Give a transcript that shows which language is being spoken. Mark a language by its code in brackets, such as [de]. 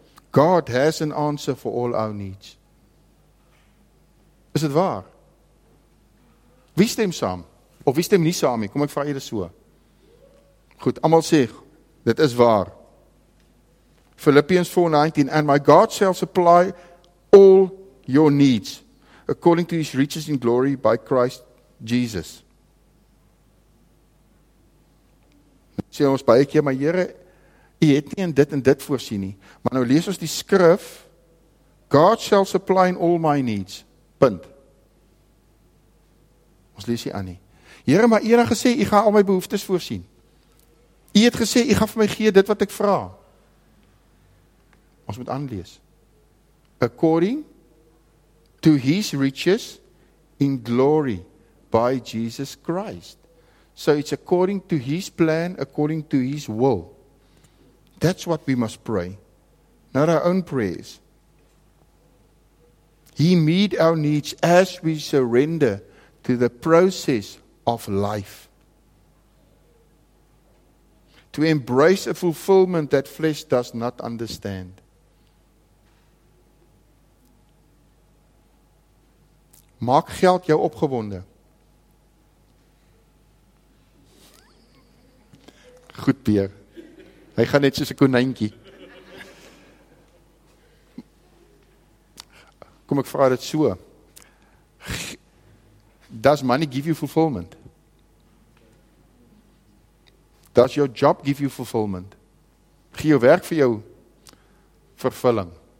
[en] God has an answer for all our needs. [af] Is dit waar? Wie stem saam? Of wie stem nie saam nie? Kom ek vraag jy dit so. Goed, allemaal sê, dit is waar. [en] Philippians 4:19, and my God shall supply all your needs according to his riches in glory by Christ Jesus. [af] Sê ons baie keer, maar Here, u het nie in dit voorsien nie. Maar nou lees ons die skrif, [en] God shall supply all my needs. [af] Punt. Ons lees hier aan nie. Here, maar u het gesê, u gaan al my behoeftes voorsien. U het gesê, u gaan vir my gee dit wat ek vra. Ons moet aanlees. [en] According to his riches in glory by Jesus Christ. So it's according to his plan, according to his will. That's what we must pray. Not our own prayers. He meet our needs as we surrender to the process of life. To embrace a fulfillment that flesh does not understand. [af] Maak geld jou opgewonde. Goed, Peer. Hy gaan net soos 'n konyntjie. Kom, ek vraag dit so. [en] Does money give you fulfillment? Does your job give you fulfillment? [af] Gee jou werk vir jou vervulling?